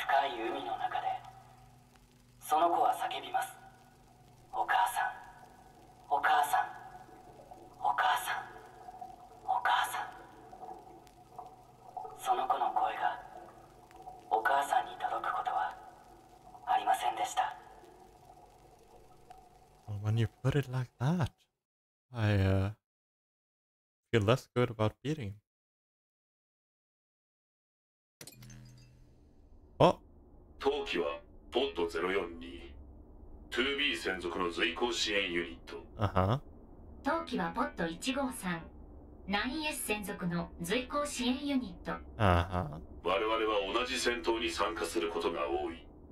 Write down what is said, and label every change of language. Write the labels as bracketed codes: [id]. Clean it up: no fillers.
[ja] 深い海の中でその子は叫びます。お母さん、お母さん、お母さん、お母さん。その子の声がお母さんに届くことはありませんでした。 [en] Well, when you put it like that, I feel less good about beating. Oh. [ja] 当機はポッド04に 2B 専属の随行支援ユニット。当機はポッド153、9S 専属の随行支援ユニット。我々は同じ戦闘に参加することが多い。